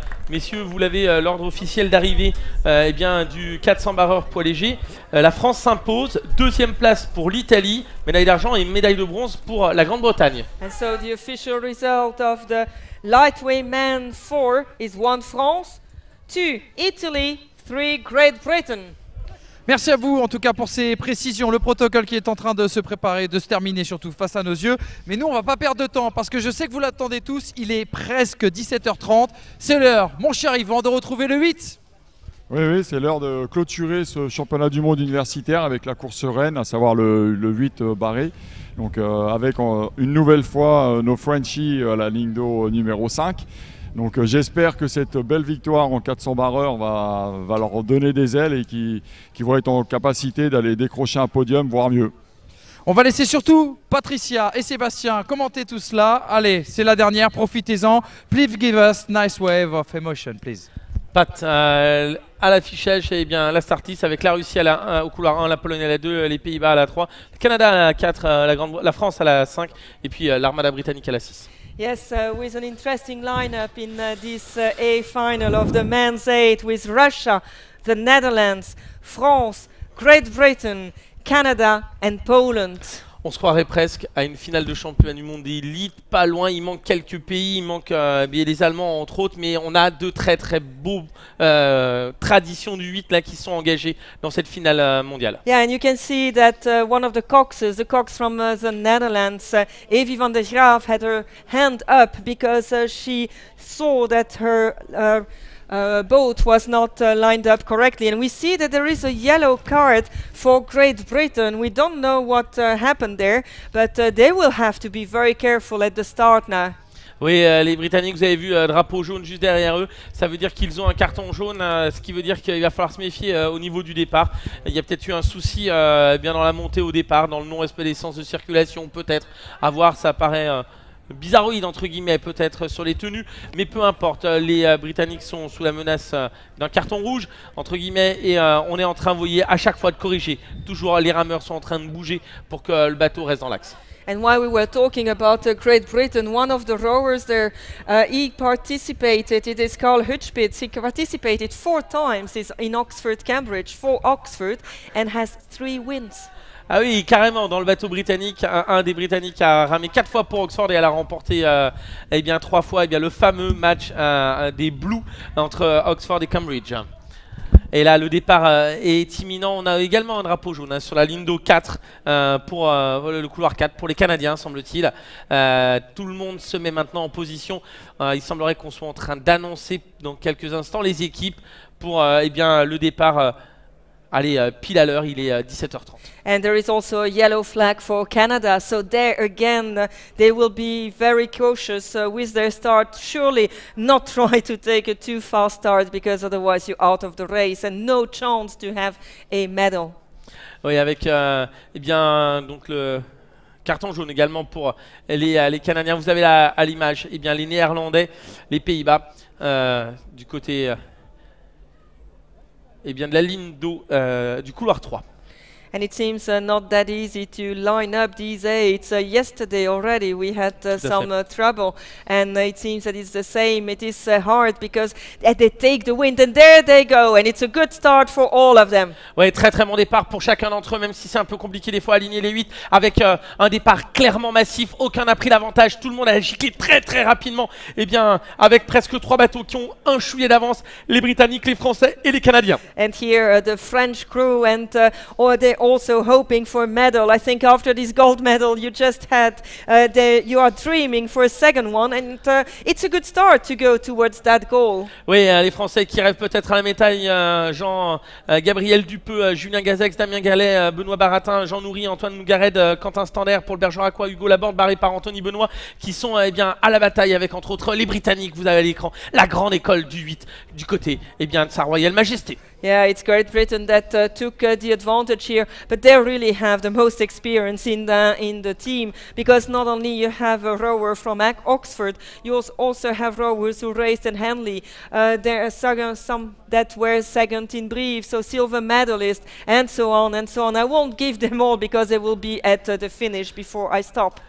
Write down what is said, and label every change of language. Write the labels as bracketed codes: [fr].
[fr] Messieurs, vous l'avez l'ordre officiel d'arrivée du 400 barreurs poids léger. La France s'impose, deuxième place pour l'Italie, médaille d'argent et médaille de bronze pour la Grande-Bretagne. [en] And so the official result of the lightweight man 4 is 1 France, 2 Italy, 3 Great Britain. [fr] Merci à vous en tout cas pour ces précisions, le protocole qui est en train de se préparer, de se terminer surtout face à nos yeux. Mais nous on va pas perdre de temps parce que je sais que vous l'attendez tous, il est presque 17h30. C'est l'heure, mon cher Yvan, de retrouver le 8. Oui, oui, c'est l'heure de clôturer ce championnat du monde universitaire avec la course reine, à savoir le 8 barré. Donc avec une nouvelle fois nos Frenchies à la ligne d'eau numéro 5. Donc j'espère que cette belle victoire en 400 barreurs va leur donner des ailes et qu'ils vont être en capacité d'aller décrocher un podium, voire mieux. On va laisser surtout Patricia et Sébastien commenter tout cela. Allez, c'est la dernière, profitez-en. [en] Please give us nice wave of emotion, please. [fr] Pat, à l'affichage, eh bien, la startiste avec la Russie à la 1, au couloir 1, la Pologne à la 2, les Pays-Bas à la 3, le Canada à la 4, la France à la 5 et puis l'Armada britannique à la 6. [en] Yes, with an interesting lineup in this A final of the men's eight with Russia, the Netherlands, France, Great Britain, Canada and Poland. [fr] On se croirait presque à une finale de championnat du monde d'élite, pas loin, il manque quelques pays, il manque les Allemands entre autres, mais on a deux très très beaux traditions du 8 là, qui sont engagées dans cette finale mondiale. [en] Yeah, and you can see that one of the coxes, the cox from the Netherlands, Evie van der Graaf, had her hand up because she saw that her boat was not lined up correctly, and we see that there is a yellow card for Great Britain. We don't know what happened there, but they will have to be very careful at the start now. [fr] Oui, les Britanniques, vous avez vu drapeau jaune juste derrière eux, ça veut dire qu'ils ont un carton jaune, ce qui veut dire qu'il va falloir se méfier au niveau du départ. Il y a peut-être eu un souci bien dans la montée au départ, dans le non-respect des sens de circulation, peut-être à voir, ça paraît bizarroïde entre guillemets peut-être sur les tenues, mais peu importe, les Britanniques sont sous la menace d'un carton rouge entre guillemets et on est en train, vous voyez, à chaque fois de corriger, toujours les rameurs sont en train de bouger pour que le bateau reste dans l'axe. [en] And while we were talking about Great Britain, one of the rowers there, he participated, it is Carl Hutchpitz, he participated 4 times in Oxford Cambridge for Oxford and has 3 wins. [fr] Ah oui, carrément, dans le bateau britannique, un des Britanniques a ramé 4 fois pour Oxford et elle a remporté 3 fois le fameux match des Blues entre Oxford et Cambridge. Et là, le départ est imminent. On a également un drapeau jaune sur la ligne d'eau 4 pour le couloir 4 pour les Canadiens, semble-t-il. Tout le monde se met maintenant en position. Il semblerait qu'on soit en train d'annoncer dans quelques instants les équipes pour le départ. Allez, pile à l'heure, il est 17h30. [en] And there is also a yellow flag for Canada. So there again, they will be very cautious with their start. Surely not try to take a too fast start because otherwise you're out of the race and no chance to have a medal. [fr] Oui, avec donc le carton jaune également pour les Canadiens. Vous avez à l'image les Néerlandais, les Pays-Bas du côté de la ligne d'eau du couloir 3. [en] And it seems not that easy to line up these eights. Yesterday already we had some trouble and it seems that it's the same. It is hard because they take the wind and there they go and it's a good start for all of them. [fr] Ouais, très très bon départ pour chacun d'entre eux, même si c'est un peu compliqué des fois à aligner les 8 avec un départ clairement massif. Aucun n'a pris l'avantage, tout le monde a giclé très très rapidement. Et avec presque 3 bateaux qui ont un chouillet d'avance, les Britanniques, les Français et les Canadiens. [en] And here the French crew and also hoping for a medal. I think after this gold medal you just had, you are dreaming for a second one and it's a good start to go towards that goal. [fr] Oui, les Français qui rêvent peut-être à la médaille, Jean-Gabriel Dupeux, Julien Gazex, Damien Gallet, Benoît Baratin, Jean Nourry, Antoine Nougared, Quentin Stander, Paul Bergeracois, Hugo Laborde, barré par Anthony Benoît, qui sont à la bataille avec entre autres les Britanniques, vous avez à l'écran, la grande école du 8 du côté de sa royale majesté. [en] Yeah, it's Great Britain that took the advantage here, but they really have the most experience in the team because not only you have a rower from Oxford, you also have rowers who raced in Henley. There are some that were second in brief, so silver medalist, and so on, and so on. I won't give them all because they will be at the finish before I stop.